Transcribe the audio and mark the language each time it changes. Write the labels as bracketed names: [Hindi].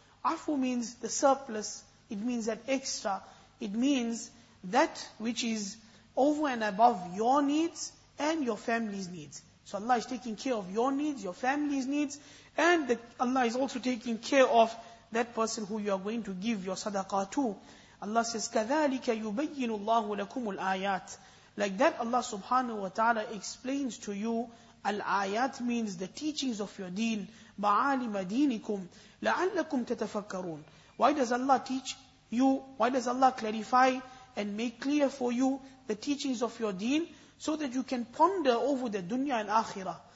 [English] Afu means the surplus, it means that extra, it means that which is over and above your needs and your family's needs. So Allah is taking care of your needs, your family's needs, and Allah is also taking care of that person who you are going to give your sadaqah to. Allah says, [Arabic] كَذَلِكَ يُبَيِّنُ اللَّهُ لَكُمُ الْآيَاتِ. [English] Like that Allah subhanahu wa ta'ala explains to you, al-ayat means the teachings of your deen, [Arabic] بَعَالِمَ دِينِكُمْ لَعَلَّكُمْ تَتَفَكَّرُونَ. [English] Why does Allah teach you, why does Allah clarify and make clear for you the teachings of your deen, so that you can ponder over the dunya and akhirah.